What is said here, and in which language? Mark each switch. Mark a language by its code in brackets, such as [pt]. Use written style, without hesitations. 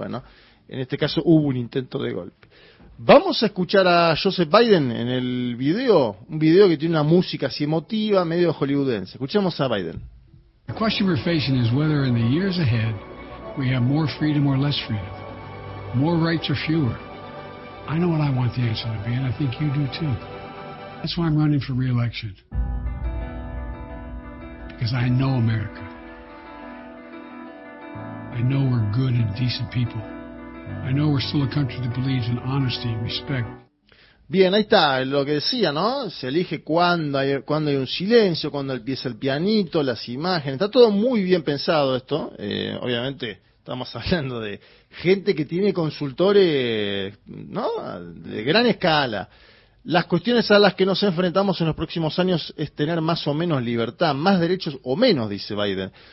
[es] Bueno, en este caso hubo un intento de golpe. Vamos a escuchar a Joseph Biden en el video, un video que tiene una música así emotiva, medio hollywoodense. Escuchemos a Biden. [en] The question we're facing is whether in the years ahead we have more freedom or less freedom, more rights or fewer. I know what I want the answer to be, and I think you do too. That's why I'm running for re-election. Because I know America. I know we're good and decent people. I know we're still a country that believes in honesty and respect. [es] Bien, ahí está lo que decía, ¿no? Se elige cuando hay un silencio, cuando empieza el pianito, las imágenes. Está todo muy bien pensado esto. Obviamente estamos hablando de gente que tiene consultores, ¿no? De gran escala. Las cuestiones a las que nos enfrentamos en los próximos años es tener más o menos libertad, más derechos o menos, dice Biden.